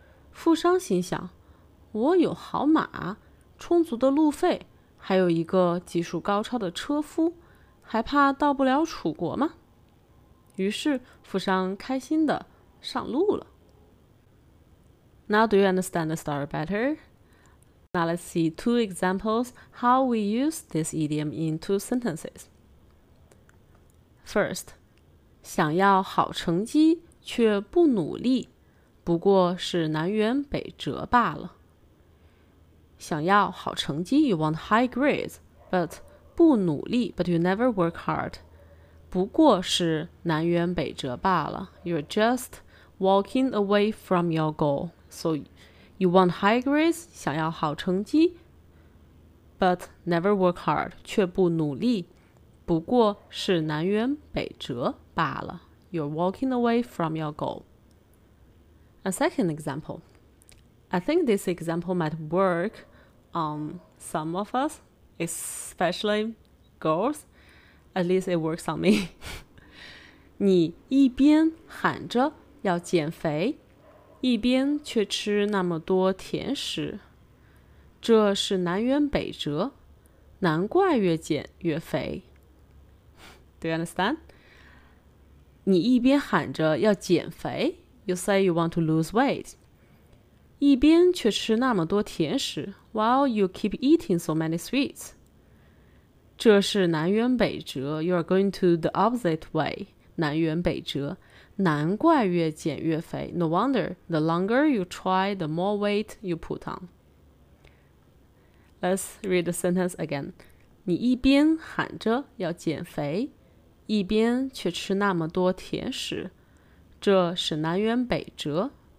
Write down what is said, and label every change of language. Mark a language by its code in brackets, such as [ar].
[zh] 富商心想，我有好马，充足的路费，还有一个技术高超的车夫，还怕到不了楚国吗？于是富商开心地上路了。 [en] Now do you understand the story better? Now let's see two examples how we use this idiom in two sentences. [zh] First, 想要好成绩却不努力，不过是南辕北辙罢了。想要好成绩 [en] you want high grades, but [zh] 不努力 [en] but you never work hard, [zh] 不过是南辕北辙罢了。 [en] You're just walking away from your goal. So you want high grades, [zh] 想要好成绩 [en] but never work hard, [zh] 却不努力，不过是南辕北辙罢了。 [en] You're walking away from your goal. A second example. I think this example might workOn some of us, especially girls, at least it works on me. [zh] 你一边喊着要减肥，一边却吃那么多甜食，这是南辕北辙，难怪越减越肥。 [en] Do you understand? [zh] 你一边喊着要减肥， [en] you say you want to lose weight. [zh] 一边却吃那么多甜食 [en] while you keep eating so many sweets. [zh] 这是南辕北辙 [en] you are going to the opposite way. [zh] 南辕北辙，难怪越减越肥 [en] No wonder, the longer you try, the more weight you put on. Let's read the sentence again. [zh] 你一边喊着要减肥，一边却吃那么多甜食，这是南辕北辙。